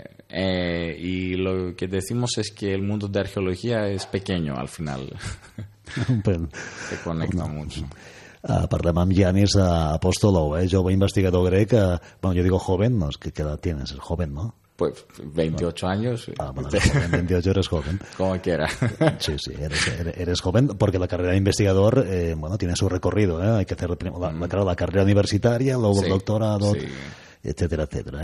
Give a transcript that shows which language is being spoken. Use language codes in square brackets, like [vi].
[es] Y lo que decimos es que el mundo de arqueología es pequeño al final. Se conecta mucho. [ca] Parlem amb Giannis Apostolou, jove investigador grec. [es] Bueno, yo digo joven, no, es que queda, tienes, es joven, ¿no? Pues 28 años. Ah, bueno, eres joven, 28 eres joven. Como quiera. Sí, sí, eres joven porque la carrera de investigador, bueno, tiene su recorrido, ¿eh? Hay que hacer la carrera universitaria, luego el doctorado, etcétera, etcétera.